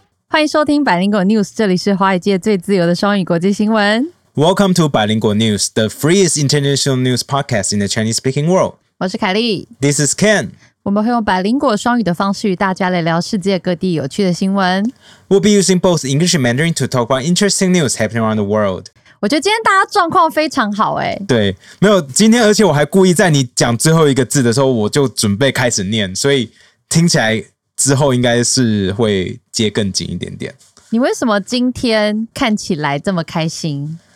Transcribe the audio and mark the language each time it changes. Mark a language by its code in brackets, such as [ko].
[zh] 欢迎收听百灵果 news， 这里是华语界最自由的双语国际新闻。 [en] Welcome to 百灵果 news， the freest international news podcast in the Chinese speaking world。 [zh] 我是凯莉 [en] ，This is Ken。 [zh] 我们会用百灵果双语的方式与大家来聊世界各地有趣的新闻。 [en] We'll be using both English and Mandarin to talk about interesting news happening around the world。 [zh] 我觉得今天大家状况非常好哎。对，没有今天，而且我还故意在你讲最后一个字的时候，我就准备开始念，所以听起来。之后应该是会接更紧一点点。你为什么今天看起来这么开心？